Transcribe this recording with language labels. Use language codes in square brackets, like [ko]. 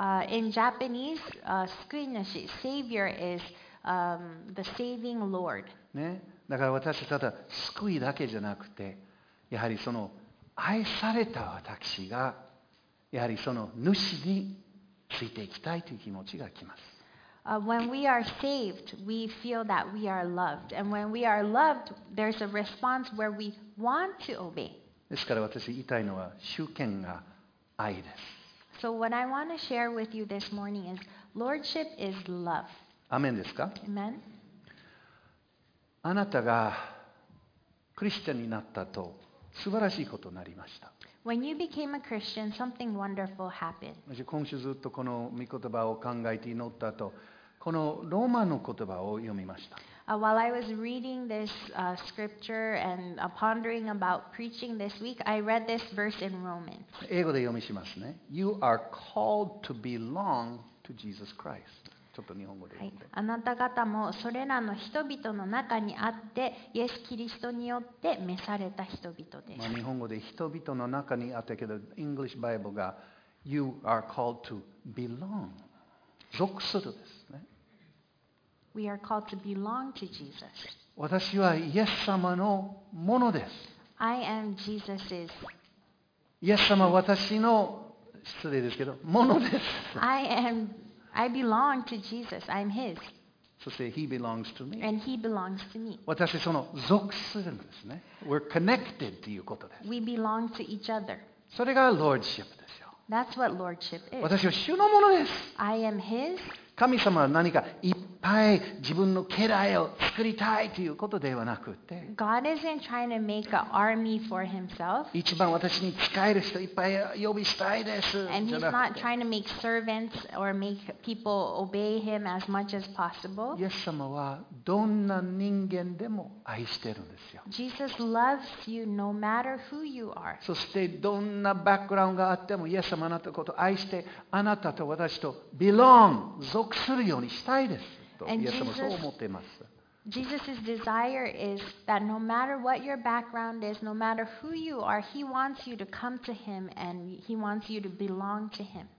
[en] In Japanese, [ja] 救い主、 [en] Savior is the saving Lord. [ja] ね、だから私はただ救いだけじゃなくて、やはりその愛された私が、やはりその主についていきたいという気持ちがきます。 [en] When we are saved, we feel that we are loved. And when we are loved, there's a response where we want to obey. [ja] ですから私言いたいのは、主権が愛です。 [en] So what I want to share with you this morning is, Lordship is love. [ja] アメンですか？ [en] Amen. [ja] あなたがクリスチャンになったと素晴らしいことになりました。 [en] When you became a Christian, something wonderful happened. [ja] 私今週ずっとこの御言葉を考えて祈った後、このローマの言葉を読みました。 [en] While I was reading this scripture and pondering about preaching this week, I read this verse in Romans. [ja] 英語で読みしますね。 [en] You are called to belong to Jesus Christ. [ja] ちょっと日本語で、はい、あなた方もそれらの人々の中にあってイエス・キリストによって召された人々です、まあ、日本語で人々の中にあったけど [en] English Bible [ja] が [en] You are called to belong [ja] 属するですね [en] We are called to belong to Jesus. [ja] 私はイエス様のものです。 [en] I am Jesus's. [ja] イエス様は私の、失礼ですけど、ものです。 [en] I belong to Jesus. I'm his. [ja] そして [en] He belongs to me. And He belongs to me. [ja] 私その属するんですね。 [en] We're connected [ja] ということです。 [en] We belong to each other. [ja] それが Lordship ですよ。 [en] That's what Lordship is. [ja] 私は主のものです。 [en] I am his. [ja] 神様は何かいっぱい自分の家来を作りたいということではなくて、 [en] God isn't trying to make an army for himself. [ja] 一番私に使える人いっぱい呼びしたいです。 [en] And he's not trying to make servants or make people obey him as much as possible. [ja] イエス様はどんな人間でも愛してるんですよ。 [en] Jesus loves you no matter who you are. [ja] そしてどんなバックグラウンドがあってもイエス様あなたのことを愛して、あなたと私と belong。属するようにしたいですとイエス様はそう思っています。 [en] Jesus' desire is that no matter what your background is, no matter who you are, He wants you to come to Him and He wants you to belong to Him.